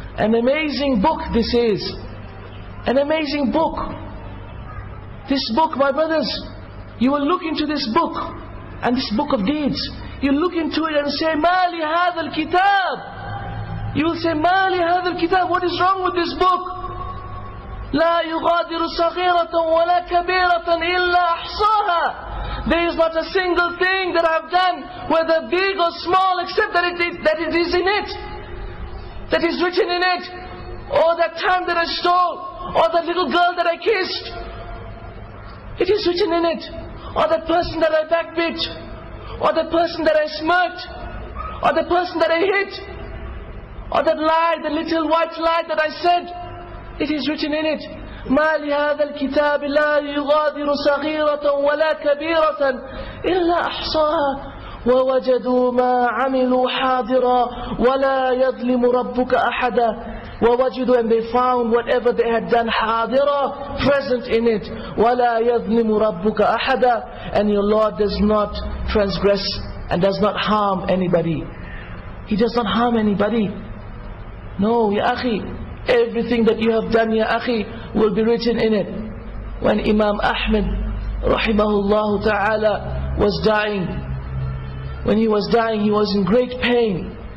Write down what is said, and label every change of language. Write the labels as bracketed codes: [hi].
[en] An amazing book this is. An amazing book. This book, my brothers, you will look into this book and this book of deeds. You look into it and say, [ar] Ma li hadha al-kitab. [en] You will say, [ar] Ma li hadha al-kitab. [en] What is wrong with this book? [ar] لا يغادر صغيرة ولا كبيرة إلا أحصاها. [en] There is not a single thing that I have done, whether big or small, except that it is in it, that is written in it, or that time that I stole, or that little girl that I kissed, it is written in it, or that person that I backbit, or that person that I smirked, or the person that I hit, or that lie, the little white lie that I said. It is written in it. [ar] مَا لِهَذَا الْكِتَابِ لَا يُغَادِرُ صَغِيرَةً وَلَا كَبِيرَةً إِلَّا أَحْصَاهَا وَوَجَدُوا مَا عَمِلُوا حَاضِرًا وَلَا يَظْلِمُ رَبُّكَ أَحَدًا وَوَجَدُوا [en] and they found whatever they had done [ar] حَاضِرًا [en] present in it. [ar] وَلَا يَظْلِمُ رَبُّكَ أَحَدًا [en] and your Lord does not transgress and does not harm anybody. He does not harm anybody. No, ya akhi. Everything that you have done, ya akhi, will be written in it. When Imam Ahmed, rahimahullah ta'ala, was dying, he was in great pain.